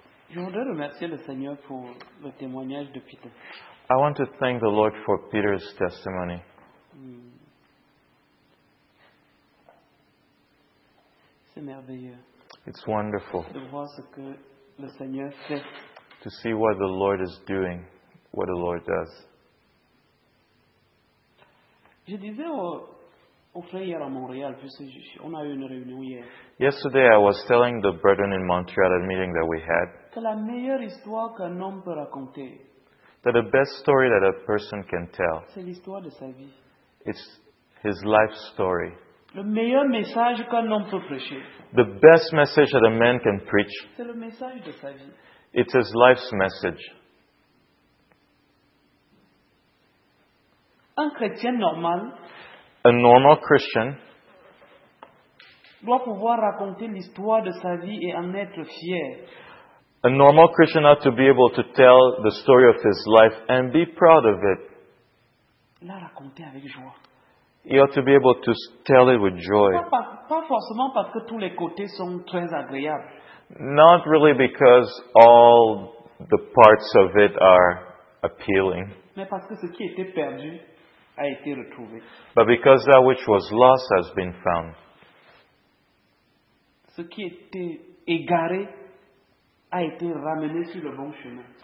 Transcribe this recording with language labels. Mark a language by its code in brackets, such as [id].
[fr] Je voudrais remercier le Seigneur pour le témoignage de Peter. [en] I want to thank the Lord for Peter's testimony. [fr] C'est merveilleux. [en] It's wonderful. [fr] De voir ce que le Seigneur fait. [en] To see what the Lord is doing, what the Lord does. [fr] Je disais au frère hier à Montréal, puisque on a eu une réunion hier. [en] Yesterday I was telling the brethren in Montreal at a meeting that we had. [fr] Que la meilleure histoire qu'un homme peut raconter. [en] That the best story that a person can tell. [fr] C'est l'histoire de sa vie. [en] It's his life story. [fr] Le meilleur message qu'un homme peut prêcher. [en] The best message that a man can preach. [fr] C'est le message de sa vie. [en] It's his life's message. [fr] Un chrétien normal. [en] A normal Christian. [fr] Doit pouvoir raconter l'histoire de sa vie et en être fier. [en] A normal Christian ought to be able to tell the story of his life and be proud of it. [fr] La raconter avec joie. [en] He ought to be able to tell it with joy. [fr] Pas forcément parce que tous les côtés sont très agréables. [en] Not really because all the parts of it are appealing. [fr] Mais parce que ce qui était perdu a été retrouvé. [en] But because that which was lost has been found. [fr] Ce qui était égaré a été ramené sur le bon chemin.